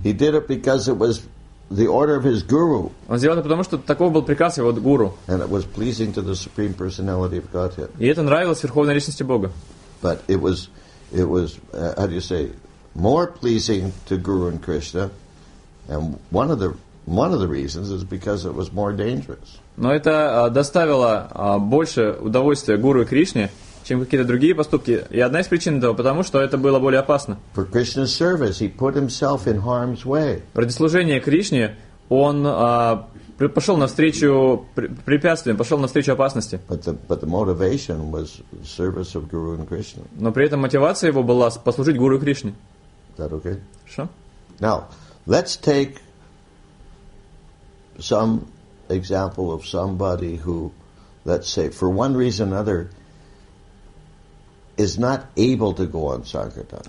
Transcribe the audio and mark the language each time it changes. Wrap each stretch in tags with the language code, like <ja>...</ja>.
<en>He did it because it was the order of his guru.</en> <ru>Он сделал это потому, что таков был приказ его гуру.</ru> <en>And it was pleasing to the supreme personality of Godhead.</en> <ru>И это нравилось верховной личности Бога.</ru> <en>But it was how do you say more pleasing to Guru and Krishna, and one of the reasons is because it was more dangerous.</en> <ru>Но это доставило больше удовольствия гуру и Кришне, чем какие-то другие поступки. И одна из причин этого, потому что это было более опасно.</ru> <en>For Krishna's service, he put himself in harm's way.</en> <ru>Ради служения Кришне он пошел навстречу препятствиям, пошел навстречу опасности.</ru> <en>But the motivation was service of Guru and Krishna.</en> <ru>Но при этом мотивация его была послужить Гуру и Кришне.</ru> <en>That okay? Sure. Now, let's take some example of somebody who, let's say, for one reason or another, is not able to go on sankirtan.</en>